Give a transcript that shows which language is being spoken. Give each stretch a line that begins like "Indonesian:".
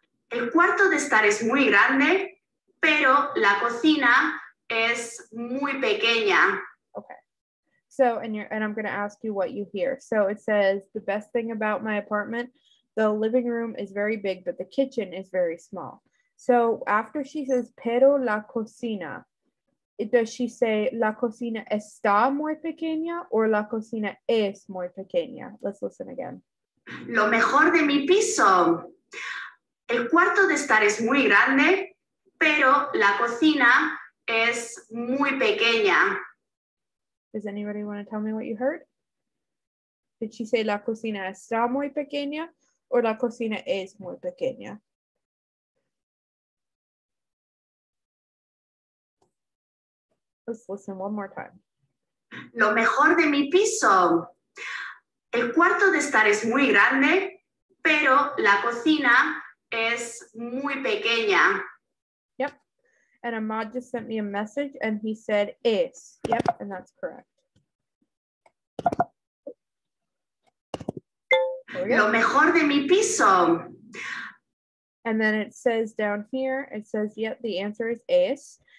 Spanish: El cuarto de estar es muy grande, pero la cocina es muy pequeña.
English: Okay. So, and I'm going to ask you what you hear. So it says, the best thing about my apartment, the living room is very big, but the kitchen is very small. So after she says,
Spanish: pero la cocina,
English: does she say
Spanish: la cocina está muy pequeña
English: or
Spanish: la cocina es muy pequeña?
English: Let's listen again.
Spanish: Lo mejor de mi piso. El cuarto de estar es muy grande, pero la cocina es muy pequeña.
English: Does anybody want to tell me what you heard? Did she say
Spanish: la cocina está muy pequeña
English: or
Spanish: la cocina es muy pequeña?
English: Let's listen one more time.
Spanish: Lo mejor de mi piso. El cuarto de estar es muy grande, pero la cocina es muy pequeña.
English: Yep. And Ahmad just sent me a message and he said es. Yep, and that's correct.
Spanish: Lo mejor de mi piso.
English: And then it says down here, it says, yep, the answer is es.